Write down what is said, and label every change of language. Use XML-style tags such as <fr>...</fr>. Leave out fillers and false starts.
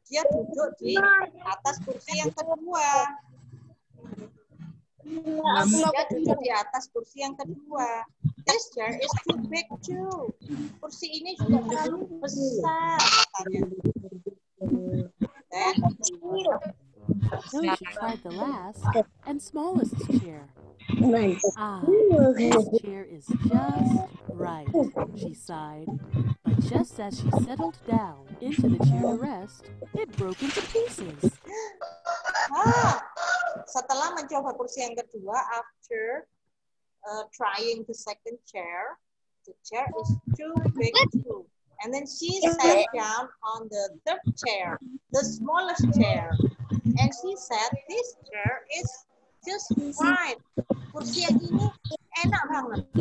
<id>Dia duduk di atas kursi yang kedua. Dia duduk di atas kursi yang kedua.</id> <en>This chair is too big too.</en> <id>Kursi ini juga terlalu besar katanya.</id> <en>Then, so she tried the last and smallest chair. Nice. Ah, this chair is just right, she sighed. But just as she settled down into the chair to rest, it broke into pieces. Ah,</en> <id>setelah mencoba kursi yang kedua,</id> <en>after trying the second chair, the chair is too big too. And then she sat down on the third chair, the smallest chair. And she said, this chair is just fine.</en> <id>Kursi yang ini enak banget.</id>